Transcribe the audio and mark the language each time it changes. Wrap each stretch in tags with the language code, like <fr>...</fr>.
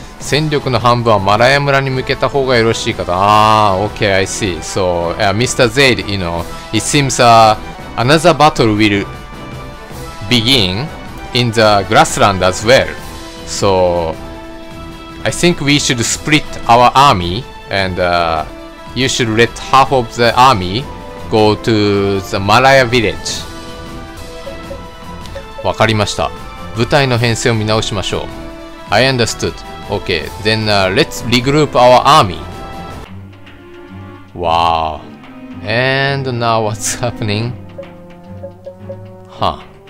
<ja>戦力の半分はマラヤ村に向けた方がよろしいかと。</ja> <en>Ah, okay, I see. So, Mr. Zaid, you know, it seems another battle will begin in the grassland as well. So, I think we should split our army and you should let half of the army go to the Malaya village.</en> <ja>わかりました。部隊の編成を見直しましょう。</ja> <en>I understood. Okay, then let's regroup our army. Wow. And now what's happening? Huh.</en>